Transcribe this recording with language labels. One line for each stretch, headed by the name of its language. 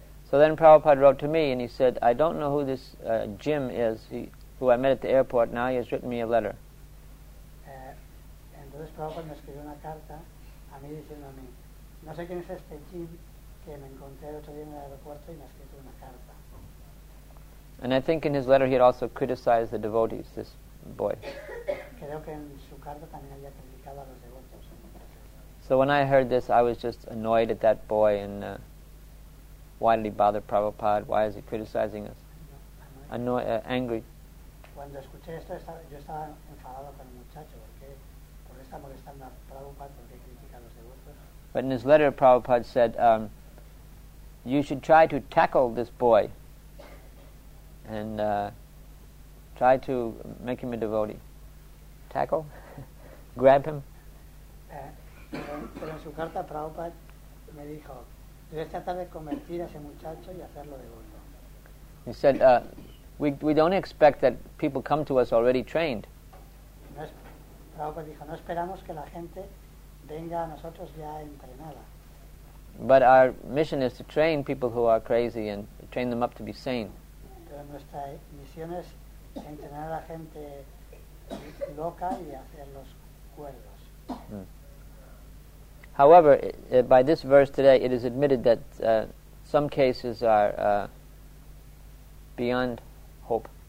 English: So then Prabhupada wrote to me and he said, I don't know who this Jim is, who I met at the airport. Now he has written me a letter.
Spanish: Entonces Prabhupada me escribió una carta a mí diciéndome, no sé quién es este Jim que me encontré otro día en el aeropuerto y me ha escrito una carta.
English: And I think in his letter he had also criticized the devotees, this boy.
Spanish: Creo que en su carta también había criticado a los devotees.
English: So when I heard this, I was just annoyed at that boy, and why did he bother Prabhupada? Why is he criticizing us? Angry.
Spanish: Cuando escuché esto, yo estaba enfadado con el muchacho. ¿Por qué está molestando a Prabhupada? ¿Por qué critica a los devotos?
English: But in his letter, Prabhupada said, you should try to tackle this boy and try to make him a devotee. Tackle? Grab him?
Spanish: Pero en su carta Prabhupada me dijo, debes tratar de convertir a ese muchacho y hacerlo devoto.
English: He said, we don't expect that people come to us already trained.
Spanish: Prabhupada dijo, no esperamos que la gente venga a nosotros ya entrenada.
English: But our mission is to train people who are crazy and train them up to be sane.
Spanish: Pero nuestra misión es entrenar a la gente loca y hacerlos cuerdos.
English: However, by this verse today, it is admitted that some cases are beyond hope.